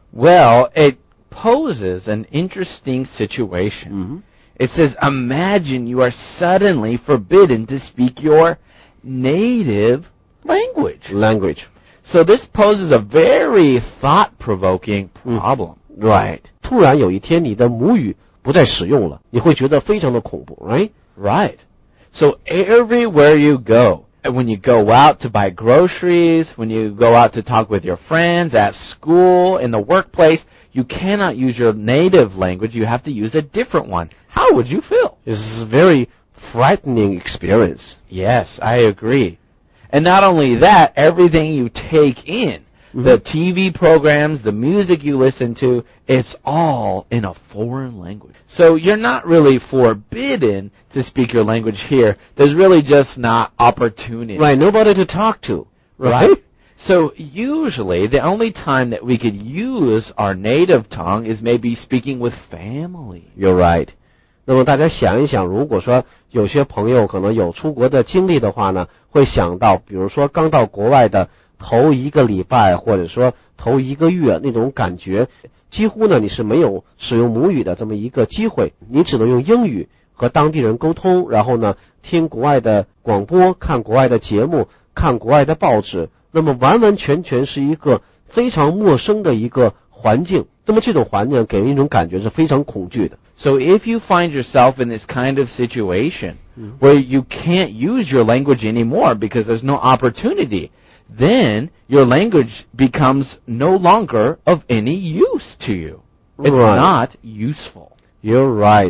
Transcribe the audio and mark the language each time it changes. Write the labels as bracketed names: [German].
[English] Well, it poses an interesting situation. Mm-hmm. It says, imagine you are suddenly forbidden to speak your native language. Language. So this poses a very thought-provoking problem. Right. [Chinese] 突然有一天你的母语不再使用了，你会觉得非常的恐怖， [English] right? Right. So everywhere you go, when you go out to buy groceries, when you go out to talk with your friends, at school, in the workplace, you cannot use your native language, you have to use a different one. How would you feel? This is a very frightening experience. Yes, I agree. And not only that, everything you take in,、 mm-hmm. the TV programs, the music you listen to, it's all in a foreign language. So you're not really forbidden to speak your language here. There's really just not opportunity. Right, nobody to talk to. Right? So usually, the only time that we could use our native tongue is maybe speaking with family. You're right. [Chinese] 那么大家想一想，如果说有些朋友可能有出国的经历的话呢，会想到比如说刚到国外的头一个礼拜或者说头一个月那种感觉，几乎呢你是没有使用母语的这么一个机会，你只能用英语和当地人沟通，然后呢听国外的广播，看国外的节目，看国外的报纸，那么完完全全是一个非常陌生的一个环境，那么这种环境给人一种感觉是非常恐惧的。 [English] So if you find yourself in this kind of situation where you can't use your language anymore because there's no opportunity, then your language becomes no longer of any use to you. It's right. not useful. You're right.